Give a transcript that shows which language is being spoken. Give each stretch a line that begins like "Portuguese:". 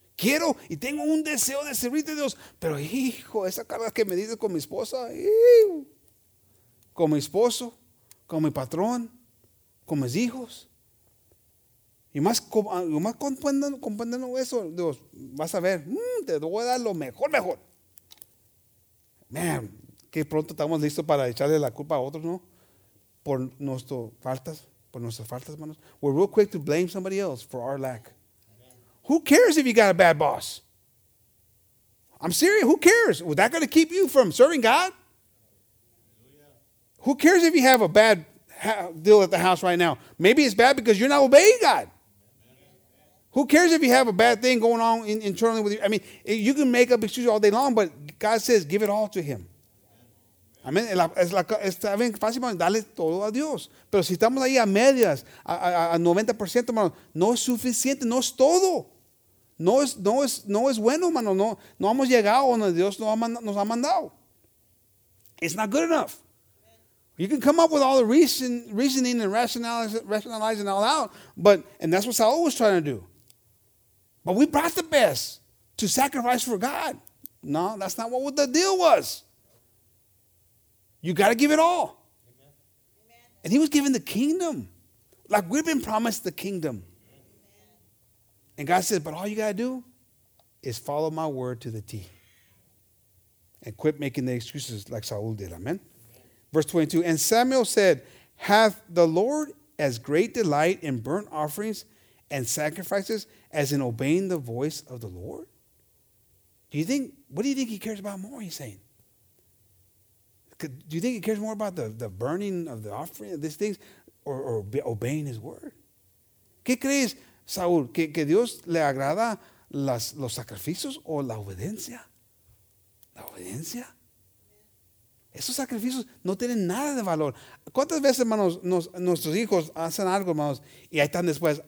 Spanish: Quiero y tengo un deseo de servirte a Dios. Pero hijo, esa carga que me dices con mi esposa, con mi esposo, con mi patrón, con mis hijos, Y más comprendiendo eso, Dios, vas a ver, te voy a dar lo mejor, mejor. Man, que pronto estamos listos para echarle la culpa a otros, ¿no? Por nuestras faltas, hermanos.
English: We're real quick to blame somebody else for our lack. Who cares if you got a bad boss? I'm serious, who cares? Was that going to keep you from serving God? Who cares if you have a bad deal at the house right now? Maybe it's bad because you're not obeying God. Who cares if you have a bad thing going on internally with you? I mean, you can make up excuses all day long, but God says, give it all to him.
Spanish: Amén. Está bien fácil, hermano, dale todo a Dios. Pero si estamos ahí a medias, a 90%, hermano, no es suficiente, no es todo. No es bueno, hermano. No hemos llegado donde Dios nos ha mandado.
English: It's not good enough. You can come up with all the reasoning and rationalizing all out, and that's what Saul was trying to do. But we brought the best to sacrifice for God. No, that's not what the deal was. You got to give it all. Amen. And he was given the kingdom. Like we've been promised the kingdom. Amen. And God says, but all you got to do is follow my word to the T. And quit making the excuses like Saul did. Amen. Verse 22, and Samuel said, hath the Lord as great delight in burnt offerings and sacrifices as in obeying the voice of the Lord? What do you think he cares about more, he's saying? Do you think he cares more about the burning of the offering of these things or obeying his word?
Spanish: ¿Qué crees, Saúl, que Dios le agrada los sacrificios o la obediencia? ¿La obediencia? Esos sacrificios no tienen nada de valor. ¿Cuántas veces, hermanos, nuestros hijos hacen algo, hermanos, y ahí están después?